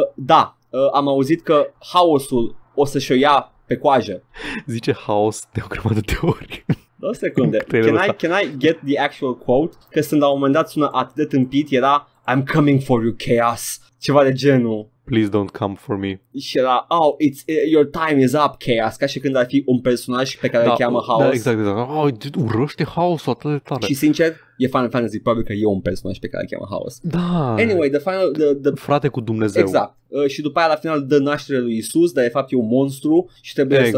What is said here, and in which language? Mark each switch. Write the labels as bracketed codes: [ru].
[ro] Da, am auzit că haosul o să-și o ia pe coajă. Zice haos de o grămadă de ori. Două secunde, [en] can I get the actual quote? [ro] Că sunt la un moment dat sună atât de tâmpit, era [en] I'm coming for you, chaos, [ro] ceva de genul. [en] Please don't come for me. [ro] Și era, [en] oh, it's, your time is up, chaos. [ro] Ca și când ar fi un personaj pe care da, îl cheamă Haos. Da, exact. Oh, urăște Haos-ul atât de tare. Și sincer, e Final Fantasy, probabil că e un personaj pe care îl cheamă Haos. Da. [en] Anyway, the final... [ro] Frate cu Dumnezeu. Exact. Și după aia, la final, dă naștere lui Isus, dar de fapt e un monstru și trebuie exact,